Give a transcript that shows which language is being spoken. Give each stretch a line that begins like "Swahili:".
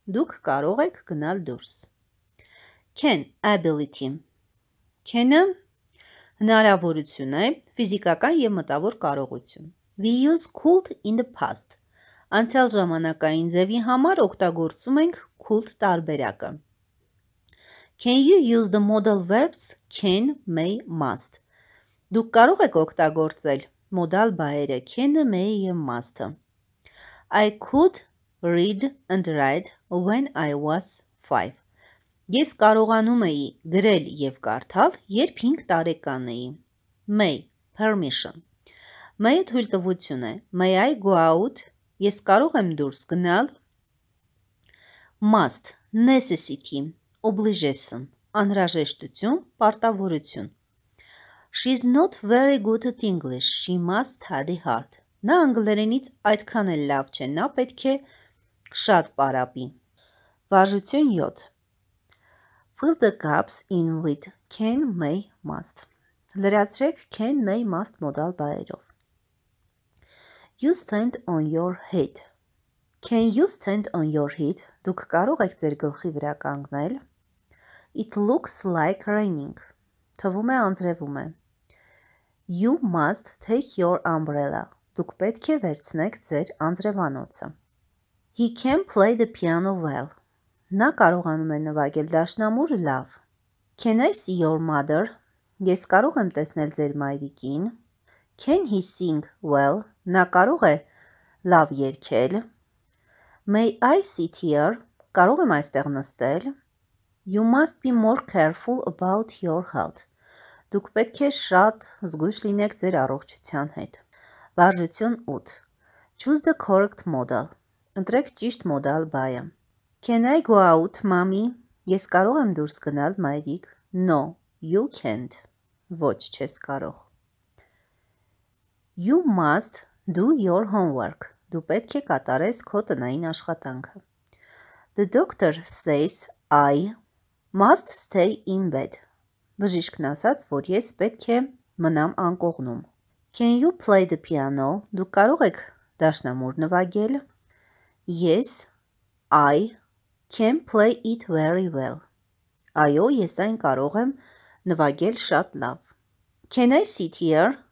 Armenian: Դուք կարող եք գնալ դուրս.
English: Can ability.
Armenian: Can-ը հնարավորություն է, ֆիզիկական և մտավոր կարողություն.
English: We use could in the past.
Armenian: Անցյալ ժամանակային ձևի համար օգտագործում ենք could տարբերակը.
English: Can you use the modal verbs can, may, must?
Armenian: Դուք կարող եք օգտագործել modal բայերը can-ը, may-ը և must-ը.
English: I could read and write when I was 5.
Armenian: Ես կարողանում էի գրել և կարդալ, երբ 5 տարեկան էի.
English: May, permission.
Armenian: May-ը թույլտվություն է.
English: May I go out?
Armenian: Ես կարող եմ դուրս գնալ.
English: Must, necessity, obligation,
Armenian: անհրաժեշտություն, պարտավորություն.
English: She's not very good at English. She must study hard.
Armenian: Նա անգլերենից այդքան էլ լավ չէ, նա պետք է շատ պարապի. Վարժություն 7.
English: Fill the gaps in with can, may, must.
Armenian: Լրացրեք can, may, must modal բայերով.
English: You stand on your head. Can you stand on your head?
Armenian: Դուք կարող եք ձեր գլխի վրա կանգնել.
English: It looks like raining.
Armenian: Թվում է անձրևում է.
English: You must take your umbrella.
Armenian: Դուք պետք է վերցնեք ձեր անձրևանոցը.
English: He can play the piano well.
Armenian: Նա կարողանում է նվագել դաշնամուրը լավ.
English: Can I see your mother?
Armenian: Ես կարող եմ տեսնել ձեր մայրիկին.
English: Can he sing well?
Armenian: Նա կարող է լավ երգել.
English: May I sit here?
Armenian: Կարող եմ այստեղ նստել.
English: You must be more careful about your health.
Armenian: Դուք պետք է շատ զգույշ լինեք ձեր առողջության հետ. Վարժություն 8.
English: Choose the correct modal.
Armenian: Ընտրեք ճիշտ modal բայը.
English: Can I go out, mommy?
Armenian: Ես կարող եմ դուրս գնալ, մայրիկ.
English: No, you can't.
Armenian: Ոչ, չես կարող.
English: You must do your homework.
Armenian: Դու պետք է կատարես քո տնային աշխատանքը.
English: The doctor says I must stay in bed.
Armenian: Բժիշկն ասաց, որ ես պետք է մնամ անկողնում.
English: Can you play the piano?
Armenian: Դու կարող ես դաշնամուր նվագել?
English: Yes, I can play it very well.
Armenian: Այո, ես այն կարող եմ նվագել շատ լավ.
English: Can I sit here?